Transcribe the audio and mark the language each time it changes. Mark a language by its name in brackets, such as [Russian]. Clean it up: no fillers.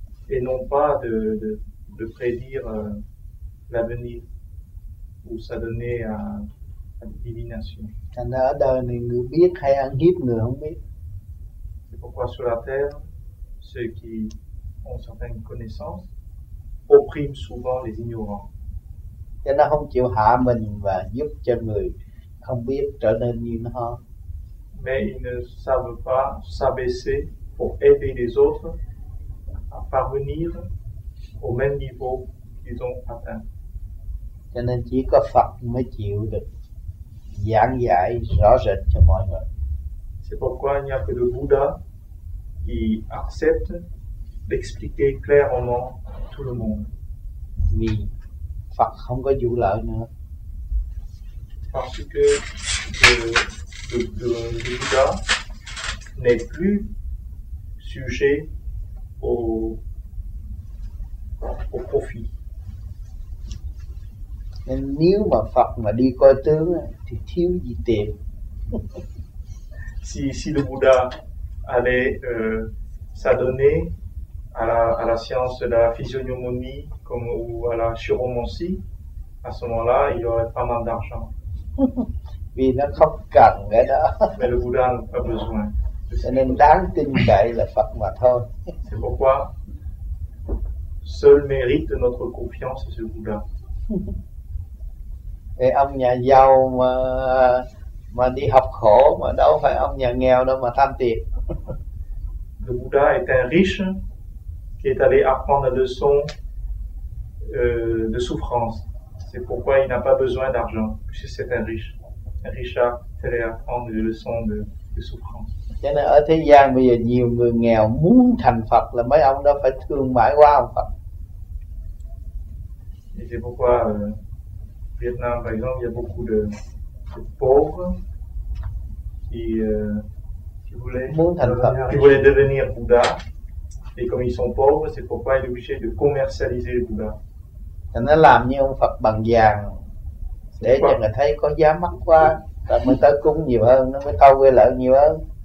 [French] Et non pas de prédire l'avenir ou s'adonner à la divination. C'est pourquoi sur la Terre, ceux qui ont certaines connaissances oppriment souvent les ignorants. [Vietnamese] Cho nên không chịu hạ mình và giúp cho người không biết trở nên như nó. [French] Mais ils ne savent pas s'abaisser pour aider les autres à parvenir au même niveau qu'ils ont atteint. [Vietnamese] Cho nên chỉ có Phật mới chịu được giảng giải rõ rệt cho mọi người. [French] C'est pourquoi il n'y a que le Bouddha qui accepte d'expliquer clairement tout le monde. [Vietnamese] vì Phật không có vụ lợi nữa. [French] Parce que le Bouddha n'est plus sujet au profit. [Vietnamese] Nên nếu mà Phật mà đi coi tướng thì thiếu gì tiền. [French] Si le Bouddha allait s'adonner à la science de la physiognomonie comme ou à la chiromancie, à ce moment-là, il y aurait pas mal d'argent. [Vietnamese] Vì nó không cần cái đó. [French] Mais le Bouddha n'a pas besoin. [Vietnamese] Cho nên đáng tin cậy là Phật mà thôi. [French] C'est pourquoi seul mérite de notre confiance est ce Bouddha. [Vietnamese] Ê, ông nhà giàu mà đi học khổ mà đâu phải ông nhà nghèo đâu mà tham tiền. [French] Le Bouddha est un riche qui est allé apprendre la leçon de souffrance. C'est pourquoi il n'a pas besoin d'argent, puisque c'est un riche. Un richard est allé apprendre la leçon de souffrance. [Vietnamese] Cho nên ở thế gian bây giờ nhiều người nghèo muốn thành Phật là mấy ông đó phải thương mãi qua ông Phật. [French] Et c'est pourquoi Vietnam, par exemple, il y a beaucoup de pauvres qui voulaient devenir Bouddha. Et comme ils sont pauvres, c'est pourquoi ils sont obligés de commercialiser le Bouddha. [Vietnamese] Cho nên làm như ông Phật bằng vàng để cho người thấy có giá mắc quá, ta mới tới cúng nhiều hơn, nó mới thâu quy lợi nhiều hơn.